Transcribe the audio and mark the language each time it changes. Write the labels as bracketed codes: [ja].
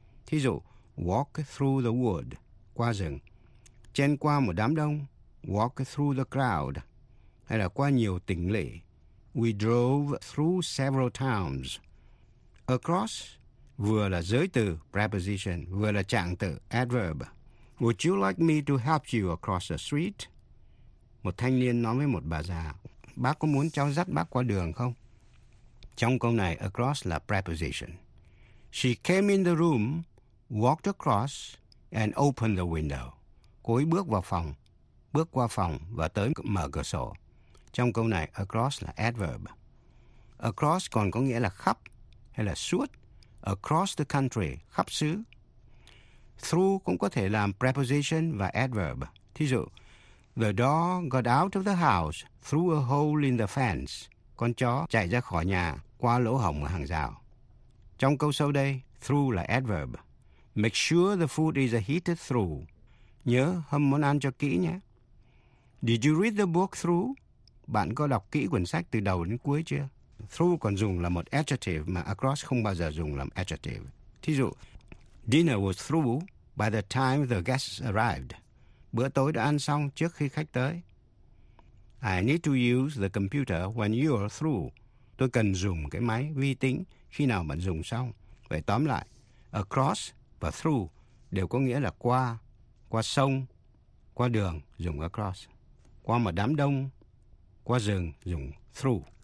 [vi] Thí dụ, [en] walk through the wood, [vi] qua rừng. Chen qua một đám đông, [en] walk through the crowd. [vi] Hay là qua nhiều tỉnh lỵ, [en] we drove through several towns. [vi] Across vừa là giới từ, preposition, vừa là trạng từ, adverb. [en] Would you like me to help you across the street? [vi] Một thanh niên nói với một bà già, bác có muốn cháu dắt bác qua đường không? Trong câu này, across là preposition. [en] She came in the room, walked across, and opened the window. [vi] Cô ấy bước vào phòng, bước qua phòng và tới mở cửa sổ. Trong câu này, across là adverb. Across còn có nghĩa là khắp hay là suốt. [en] Across the country, [vi] khắp xứ. Through cũng có thể làm preposition và adverb. Thí dụ, [en] the dog got out of the house through a hole in the fence. [vi] Con chó chạy ra khỏi nhà qua lỗ hổng ở hàng rào. Trong câu sau đây, through là adverb. [en] Make sure the food is heated through. [vi] Nhớ hâm món ăn cho kỹ nhé. [en] Did you read the book through? [vi] Bạn có đọc kỹ quyển sách từ đầu đến cuối chưa? Through còn dùng là một adjective mà across không bao giờ dùng làm adjective. Thí dụ, [en] dinner was through by the time the guests arrived. [vi] Bữa tối đã ăn xong trước khi khách tới. [en] I need to use the computer when you are through. [vi] Tôi cần dùng cái máy vi tính khi nào bạn dùng xong. Vậy tóm lại, across và through đều có nghĩa là qua, qua sông, qua đường dùng across. Qua một đám đông, qua rừng dùng through.